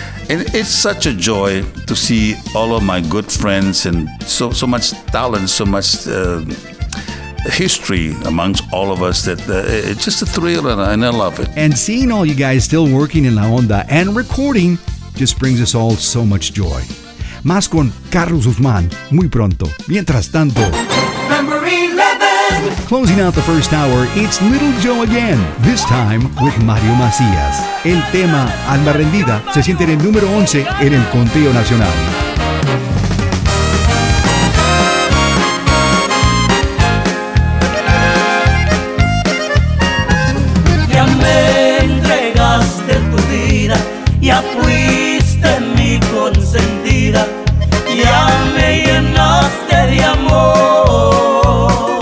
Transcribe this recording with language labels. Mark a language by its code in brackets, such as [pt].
[en] And it's such a joy to see all of my good friends and so much talent, so much history amongst all of us that it's just a thrill and I love it. And seeing all you guys still working in La Onda and recording just brings us all so much joy. [es] Más con Carlos Guzmán muy pronto. Mientras tanto, [en] number 11. Closing out the first hour, it's Little Joe again, this time with Mario Macías. [es] El tema Alma Rendida se siente en el número 11 en el conteo nacional. Ya me entregaste tu vida, ya fuiste mi consentida, ya me llenaste de amor.